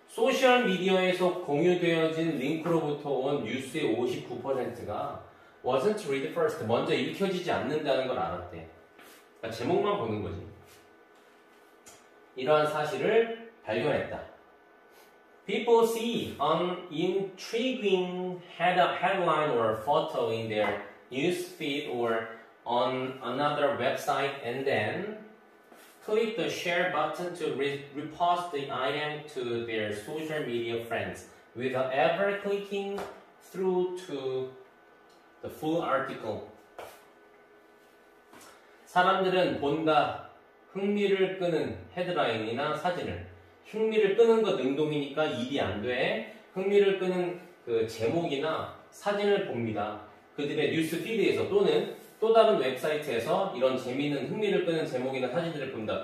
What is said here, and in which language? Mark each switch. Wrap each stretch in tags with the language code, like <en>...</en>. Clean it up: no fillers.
<ko>소셜미디어에서 공유되어진 링크로부터 온 뉴스의 59%가</ko> <en>wasn't read first,</en> <ko>먼저 읽혀지지 않는다는 걸 알았대. 그러니까 제목만 보는 거지. 이러한 사실을 발견했다.</ko> <en>People see an intriguing headline or photo in their news feed or on another website and then click the share button to repost the item to their social media friends without ever clicking through to the full article.</en> <ko>사람들은 본다 흥미를 끄는 헤드라인이나 사진을 흥미를 끄는 거 능동이니까 일이 안 돼. 흥미를 끄는 그 제목이나 사진을 봅니다. 그들의 뉴스 피드에서 또는 또 다른 웹사이트에서 이런 재미있는 흥미를 끄는 제목이나 사진들을 본다.</ko>